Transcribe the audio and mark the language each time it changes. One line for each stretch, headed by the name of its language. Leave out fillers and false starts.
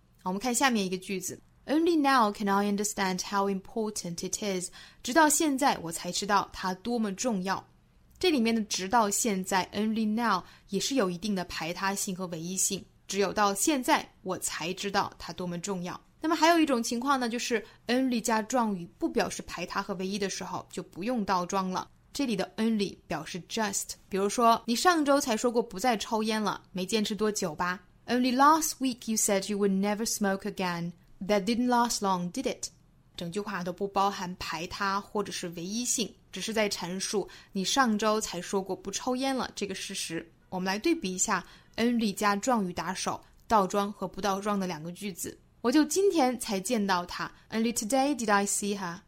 Chinese: 好，我们看下面一个句子。
English: Only now can I understand how important it is.
Chinese: 直到现在我才知道它多么重要。这里面的直到现在 only now 也是有一定的排他性和唯一性，只有到现在我才知道它多么重要。那么还有一种情况呢，就是 only 加状语不表示排他和唯一的时候就不用倒装了。这里的 only 表示 just， 比如说你上周才说过不再抽烟了，没坚持多久吧。
English: Only last week you said you would never smoke again. That didn't last long, did it?
Chinese: 整句话都不包含排他或者是唯一性，只是在阐述你上周才说过不抽烟了这个事实。我们来对比一下 only 加状语打手倒装和不倒装的两个句子。我就今天才见到他，
English: only today did I see her。